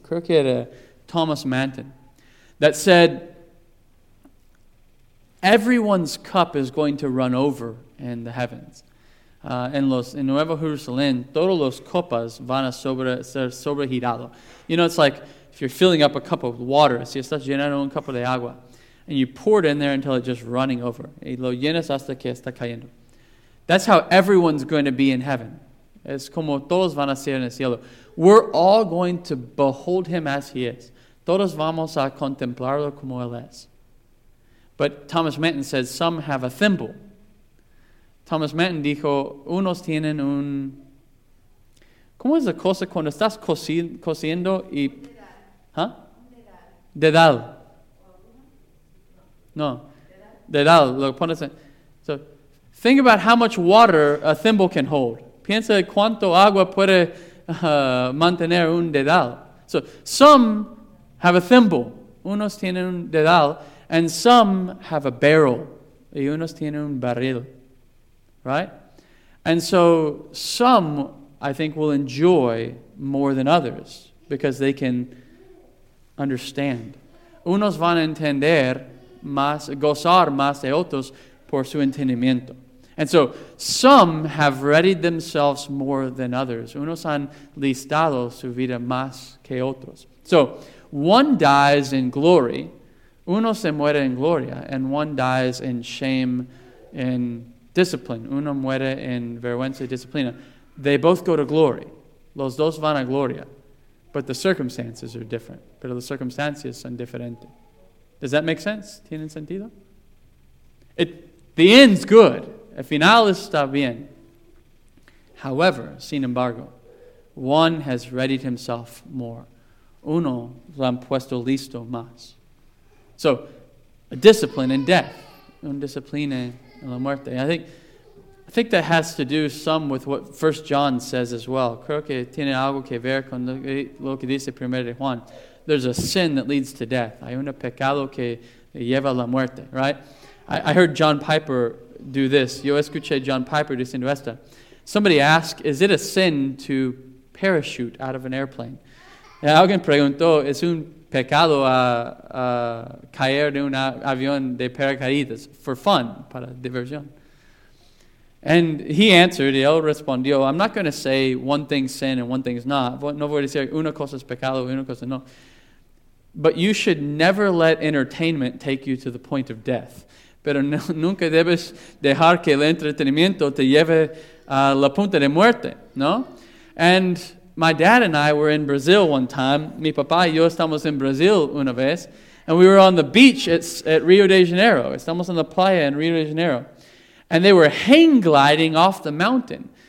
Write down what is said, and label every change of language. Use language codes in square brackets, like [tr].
[es] Creo que era [en] Thomas Manton that said, everyone's cup is going to run over in the heavens. [es] En Nueva Jerusalén, todos los copas van a ser sobregirado. [en] You know, it's like if you're filling up a cup of water, [es] si estás llenando un copo de agua, [en] and you pour it in there until it's just running over. [es] Y lo llenas hasta que está cayendo. [en] That's how everyone's going to be in heaven. [es] Es como todos van a ser en el cielo. [en] We're all going to behold him as he is. [es] Todos vamos a contemplarlo como él es. [en] But Thomas Manton said some have a thimble. [es] Thomas Manton dijo, unos tienen un... ¿Cómo es la cosa cuando estás cosiendo y...? ¿Huh? Dedal. No. Dedal. Lo pones en... [en] So, think about how much water a thimble can hold. [es] Piensa cuánto agua puede mantener un dedal. [en] So, some have a thimble. [es] Unos tienen un dedal. [en] And some have a barrel. [es] Y unos tienen un barril. [en] Right? And so some, I think, will enjoy more than others because they can understand. [es] Unos van a entender más, gozar más de otros por su entendimiento. [en] And so some have readied themselves more than others. [es] Unos han listado su vida más que otros. [en] So one dies in glory, [es] uno se muere en gloria, [en] and one dies in shame and discipline. [es] Uno muere en vergüenza y disciplina. [en] They both go to glory. [es] Los dos van a gloria. [en] But the circumstances are different. [es] Pero las circunstancias son diferentes. [en] Does that make sense? [es] ¿Tienen sentido? [en] The end's good. [es] El final está bien. [en] However, [es] sin embargo, [en] one has readied himself more. [es] Uno lo han puesto listo más. [en] So, a discipline in death. [es] Un disciplina en la muerte. [en] I think that has to do some with what 1 John says as well. [es] Creo que tiene algo que ver con lo que dice 1 de Juan. [en] There's a sin that leads to death. [es] Hay un pecado que lleva a la muerte, [en] right? I heard John Piper do this. [es] Yo escuché John Piper diciendo esto. [en] Somebody asked, is it a sin to parachute out of an airplane? [es] Y alguien preguntó, ¿es un pecado a caer de un avión de paracaídas? [en] For fun, [es] para diversión. [en] And he answered, [es] y él respondió, [en] I'm not going to say one thing's sin and one thing's not. [es] No voy a decir una cosa es pecado y una cosa no. [en] But you should never let entertainment take you to the point of death. [es] Pero no, nunca debes dejar que el entretenimiento te lleve a la punta de muerte, ¿no? [en] And my dad and I were in Brazil one time. [es] Mi papá y yo estamos en Brazil una vez. [en] And we were on the beach at Rio de Janeiro. [es] Estamos en la playa en Rio de Janeiro. [en] And they were hang gliding off the mountain.